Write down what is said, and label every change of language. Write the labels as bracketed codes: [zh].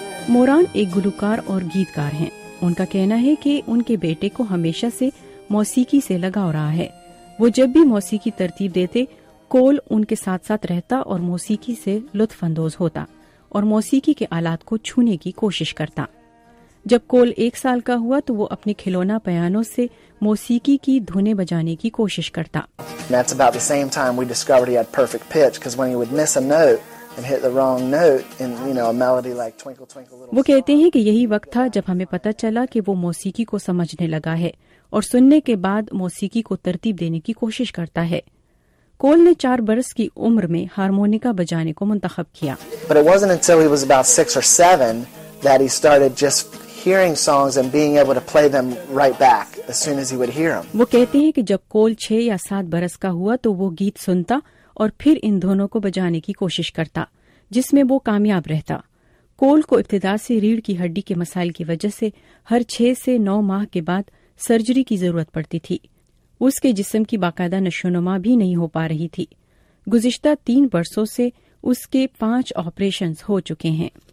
[ur] موران ایک گلوکار اور گیتکار ہیں۔ ان کا کہنا ہے کہ ان کے بیٹے کو ہمیشہ سے موسیقی سے لگاؤ رہا ہے۔ وہ جب بھی موسیقی ترتیب دیتے، کول ان کے ساتھ ساتھ رہتا اور موسیقی سے لطف اندوز ہوتا اور موسیقی کے آلات کو چھونے کی کوشش کرتا۔ جب کول 1 سال کا ہوا تو وہ اپنے کھلونا پیانو سے موسیقی کی دھنیں بجانے کی کوشش کرتا۔ [en] That's about the same time we discovered he had perfect pitch, because when he would miss a note and hit the wrong note in, you know, a melody like twinkle twinkle little star. [ur] وہ کہتے ہیں کہ یہی وقت تھا جب ہمیں پتہ چلا کہ وہ موسیقی کو سمجھنے لگا ہے اور سننے کے بعد موسیقی کو ترتیب دینے کی کوشش کرتا ہے۔ کول نے 4 برس کی عمر میں ہارمونیکا بجانے کو منتخب کیا۔ [en] But it wasn't until he was about 6 or 7 that he started just hearing songs and being able to play them right back as soon as he would hear them. [ur] وہ کہتے ہیں کہ جب کول 6 یا 7 برس کا ہوا تو وہ گیت سنتا اور پھر ان دھنوں کو بجانے کی کوشش کرتا، جس میں وہ کامیاب رہتا۔ کول کو ابتدا سے ریڑھ کی ہڈی کے مسائل کی وجہ سے ہر 6 سے 9 ماہ کے بعد سرجری کی ضرورت پڑتی تھی۔ اس کے جسم کی باقاعدہ نشوونما بھی نہیں ہو پا رہی تھی۔ گزشتہ 3 برسوں سے اس کے 5 آپریشنز ہو چکے ہیں۔